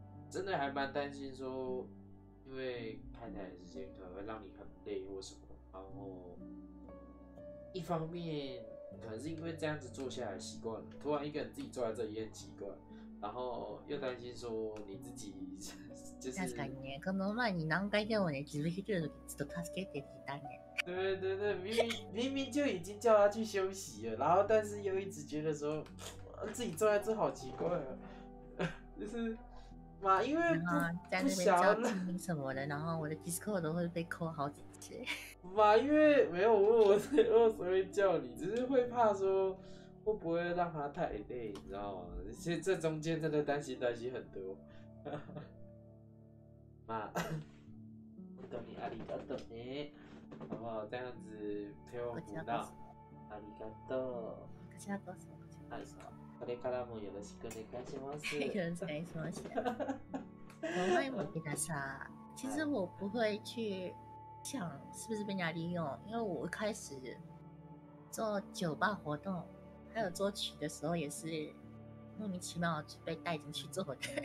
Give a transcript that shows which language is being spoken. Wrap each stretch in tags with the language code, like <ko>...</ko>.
<zh>真的还蛮担心说，因为太太的时间可能会让你很累或什么，然后一方面可能是因为这样子坐下来习惯了，突然一个人自己坐在这里也很奇怪，然后又担心说你自己就是。</zh> <ja>確かにね、この前に何回でもね、自分一人ちょっと助けてきたね。</ja> <zh>对对对，明明就已经叫他去休息了，然后但是又一直觉得说自己坐在这好奇怪啊，就是。嘛，因为不在那边交精灵什么的，然后我的 Discord 都会被扣好几次。嘛，因为没有问我所以叫你，只是会怕说会不会让他太累，你知道吗？这中间真的担心很多。嘛，我懂你，阿里嘎多呢，好不好？这样子陪我辅导，阿里嘎多。</zh> <ja>こちらこそ。はい。これからもよろしくお願いします。よろしくお願いします。</ja> <zh>我会努力的啦，其实我不会去想是不是被人家利用，因为我一开始做酒吧活动还有作曲的时候也是莫名其妙被带进去做的。</zh>